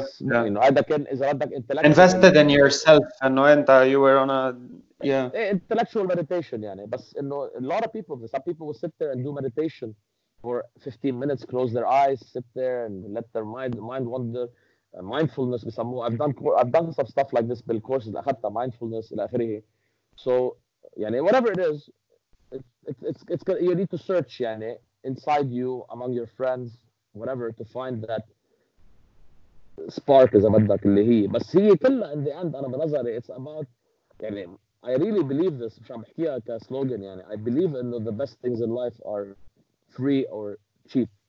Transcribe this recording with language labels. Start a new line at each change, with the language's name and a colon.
Arabic: هذا كان إذا ردك أنت لك.
English: Invested in yourself.
Arabic: إنه أنت
English: you were on a yeah. Intellectual meditation
Arabic: يعني.
English: بس إنه a lot of people, some people will sit there and do meditation for 15 minutes, close their eyes, sit there and let their mind wander.
Arabic: Mindfulness بسموه.
English: I've done some stuff like this
Arabic: بالكورسز اللي أخذتها
English: mindfulness
Arabic: إلى آخره.
English: So يعني whatever it is, it's you need to search يعني inside you, among your friends, whatever, to find that spark
Arabic: إذا بدك اللي هي. بس هي كلها
English: in the end
Arabic: أنا بنظري
English: it's about يعني I really believe this,
Arabic: مش عم بحكيها كسلوغن يعني
English: I believe in the best things in life are free or cheap.